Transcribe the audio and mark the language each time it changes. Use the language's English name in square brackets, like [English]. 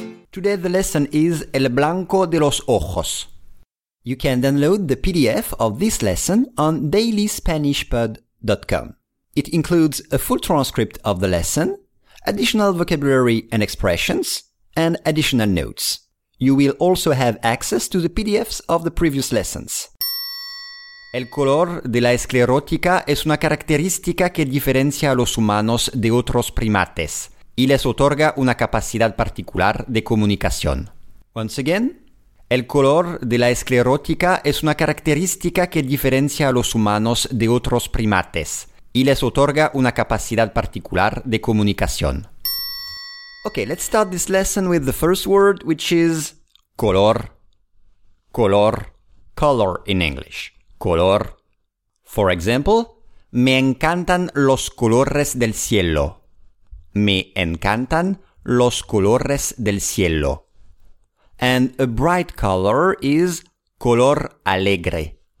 [English] Today the lesson is [Spanish] El Blanco de los Ojos. [English] You can download the PDF of this lesson on dailyspanishpod.com. It includes a full transcript of the lesson, additional vocabulary and expressions, and additional notes. You will also have access to the PDFs of the previous lessons. [Spanish] El color de la esclerótica es una característica que diferencia a los humanos de otros primates y les otorga una capacidad particular de comunicación. [English] Once again, [Spanish] el color de la esclerótica es una característica que diferencia a los humanos de otros primates y les otorga una capacidad particular de comunicación. [English] Okay, let's start this lesson with the first word, which is color. Color, color in English. Color. For example, [Spanish] me encantan los colores del cielo. Me encantan los colores del cielo. [English] And a bright color is color alegre.